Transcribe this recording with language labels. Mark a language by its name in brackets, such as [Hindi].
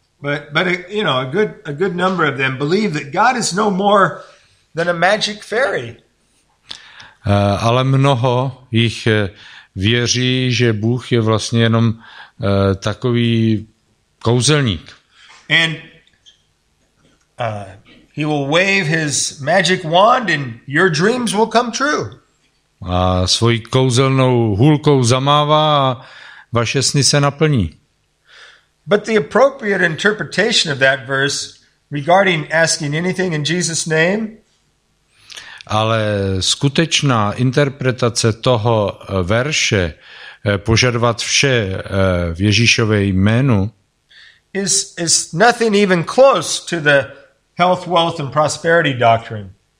[English] But you know, a good number of them believe that God is no more than a magic fairy. [Czech] Ale mnoho jich věří, že Bůh je vlastně jenom takový kouzelník. [English] And he will wave his magic wand and your dreams will come true. [Czech] A svojí kouzelnou hůlkou zamává a vaše sny se naplní. [English] But the appropriate interpretation of that verse regarding asking anything in Jesus' name. [Czech] Ale skutečná interpretace toho verše požadovat vše v Ježíšově jménu [English] is nothing even close to the health, wealth and prosperity doctrine.